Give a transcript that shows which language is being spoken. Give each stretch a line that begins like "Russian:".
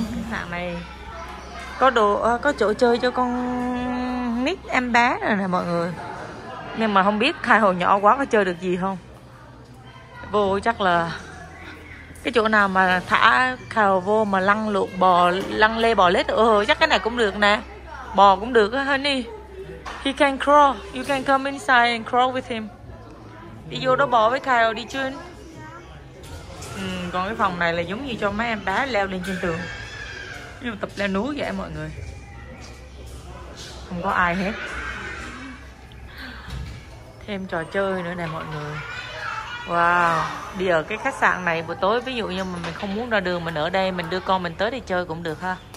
Vietnamese: Hạng này có chỗ chơi cho con nít em bé rồi nè mọi người. Nhưng mà không biết hai hồ nhỏ quá có chơi được gì không. Vô chắc là cái chỗ nào mà thả khào vô mà lăn lộn bò, lăn lê bò lết. Chắc cái này cũng được nè. Bò cũng được á, honey.
English: He can crawl. You can come inside and crawl with him.
Vietnamese: Đi vô đó bò với Kyle đi chun. Còn cái phòng này là giống như cho mấy em bé leo lên trên tường. Nhưng mà tập leo núi vậy mọi người. Không có ai hết. Thêm trò chơi nữa nè mọi người. Wow. Đi ở cái khách sạn này buổi tối, ví dụ như mà mình không muốn ra đường, mình ở đây mình đưa con mình tới đây chơi cũng được ha.